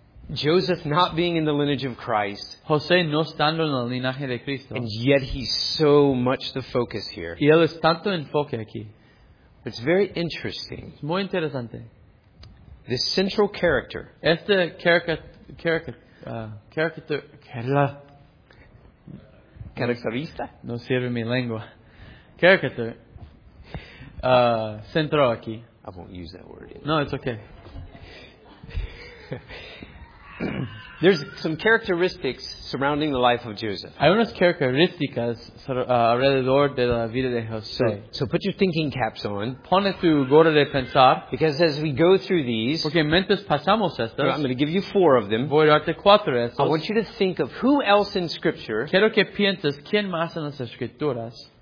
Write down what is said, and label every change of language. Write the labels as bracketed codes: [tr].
[en] Joseph not being in the lineage of Christ. [es] José no estando en el linaje de Cristo. [en] And yet he's so much the focus here. [es] Y él es tanto enfoque aquí. [en] It's very interesting. [es] Es muy interesante. [en] The central character. [es] Este caricaturista. No sirve mi lengua. Caricatur. Centro aquí. [en] I won't use that word. No, it's okay. There's some characteristics surrounding the life of Joseph. [es] Hay unas características alrededor de la vida de José. [en] So put your thinking caps on. [es] Pone tu gorra de pensar. [en] Because as we go through these, [es] porque mientras pasamos estas, [en] I'm going to give you four of them. [es] Voy a darte cuatro de estos. [en] I want you to think of who else in Scripture. [es] Quiero que pienses quién más en las escrituras.